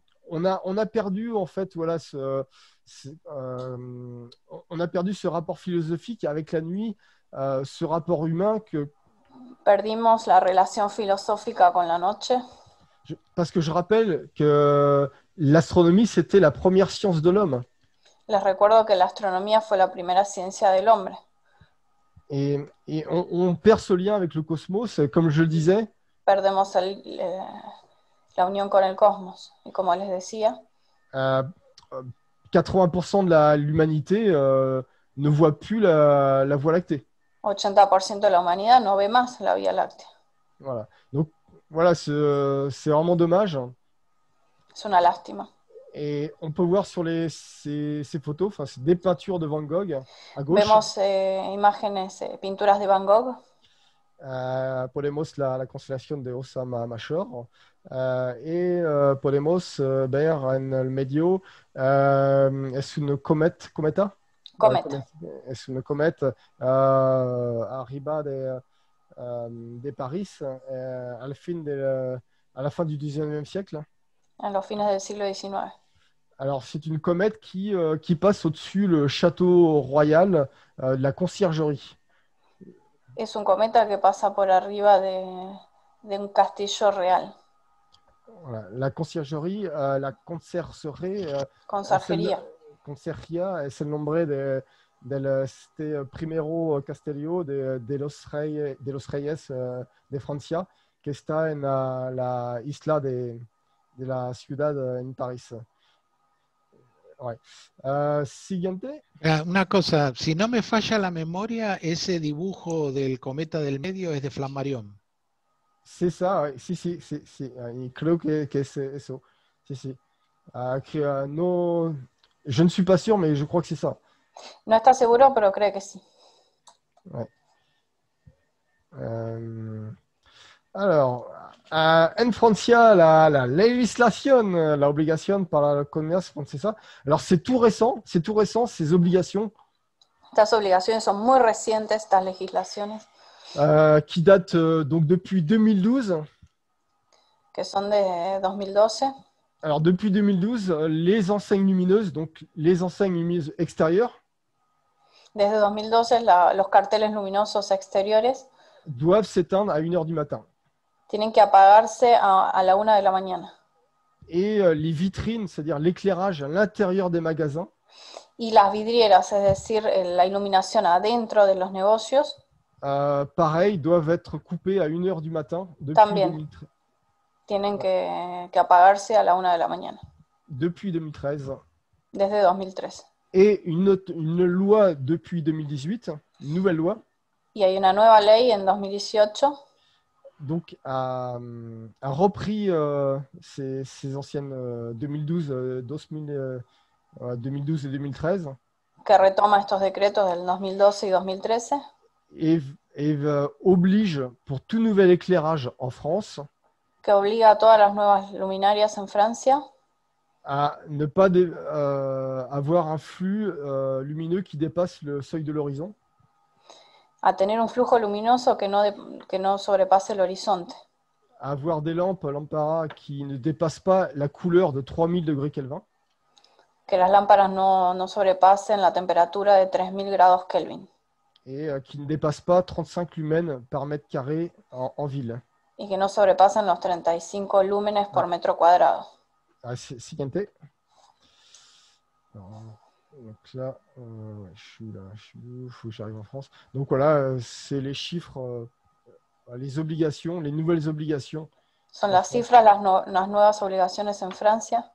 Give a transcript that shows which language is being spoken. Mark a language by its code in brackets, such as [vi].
[fr] On a perdu en fait voilà on a perdu ce rapport philosophique avec la nuit, ce rapport humain que [es] perdimos la relación filosófica con la noche. [fr] Parce que je rappelle que l'astronomie c'était la première science de l'homme. [es] Les recuerdo que la astronomía fue la primera ciencia del hombre. [fr] Et on perd ce lien avec le cosmos, comme je le disais. [es] Perdemos la unión con el cosmos, y como les decía. [fr] 80% de l'humanité ne voit plus la Voie lactée. [es] 80% de la humanidad no ve más la Vía Láctea. [fr] Voilà. Donc, voilà, c'est vraiment dommage. [es] Es una lástima. [fr] Et on peut voir sur ces photos, enfin, c'est des peintures de Van Gogh à gauche. [es] Vemos imágenes, pinturas de Van Gogh. Podemos [fr] la constellation de [es] Ossa Major. Et podemos ver en el medio. Es una comète, cometa? [fr] Comète. [es] Es una comète arriba de Paris, [fr] à la fin du 19e siècle. À la fin du siècle 19. Alors, c'est une comète qui passe au-dessus le château royal de la conciergerie. [es] Es un cometa que pasa por arriba de un castillo real. [fr] Voilà. La conciergerie, la conciergerie. [es] Conciergería. Conciergería es el nombre del este primero castillo de los reyes de Francia, que está en la isla de la ciudad en París. [fr] Ouais. [es] Siguiente. Una cosa, si no me falla la memoria, ese dibujo del cometa del medio es de Flammarion. [fr] C'est ça, [es] sí, sí, sí, sí. Creo que es eso. Sí, sí. [fr] No, je ne suis pas sûr, mais je crois que c'est ça. [es] No está seguro, pero cree que sí. [fr] Ouais. [es] Alors, en Francia, la législation, la obligación para el comercio, [fr] c'est ça. Alors, c'est tout récent, ces obligations. [es] Estas obligaciones son muy recientes, estas legislaciones. [fr] Qui datent donc depuis 2012. [es] Que son de 2012. [fr] Alors, depuis 2012, les enseignes lumineuses, donc les enseignes lumineuses extérieures. [es] Desde 2012, los carteles luminosos exteriores. [fr] Doivent s'éteindre à 1h du matin. [es] Tienen que apagarse a la una de la mañana. [fr] Et les vitrines, c'est-à-dire l'éclairage à l'intérieur des magasins. [es] Y las vidrieras, es decir, la iluminación adentro de los negocios. [fr] Pareil, doivent être coupées à 1h du matin. Depuis [es] también. 2013. Tienen que apagarse a la una de la mañana. [fr] Depuis 2013. [es] Desde 2013. [fr] Et une loi depuis 2018, une nouvelle loi. [es] Y hay una nueva ley en 2018. [fr] Donc, a repris ces anciennes 2012 et 2013. [es] Que retoma estos decretos del 2012 y 2013. [fr] Et oblige pour tout nouvel éclairage en France. [es] Que obliga a todas las nuevas luminarias en Francia. [fr] À ne pas avoir un flux lumineux qui dépasse le seuil de l'horizon. [es] À tener un flujo luminoso que no sobrepasse l'horizonte. [fr] Avoir des lampes qui ne dépassent pas la couleur de 3000 degrés Kelvin. [es] Que las lámparas no sobrepasen la temperatura de 3000 grados Kelvin. [fr] Et qui ne dépassent pas 35 lumens par mètre carré en ville. [es] Y que no sobrepasen los 35 lúmenes por metro cuadrado. Siguiente. [fr] Donc là, je suis, j'arrive en France. Donc voilà, c'est les chiffres, les obligations, les nouvelles obligations. Sont les chiffres, les nouvelles obligations en France.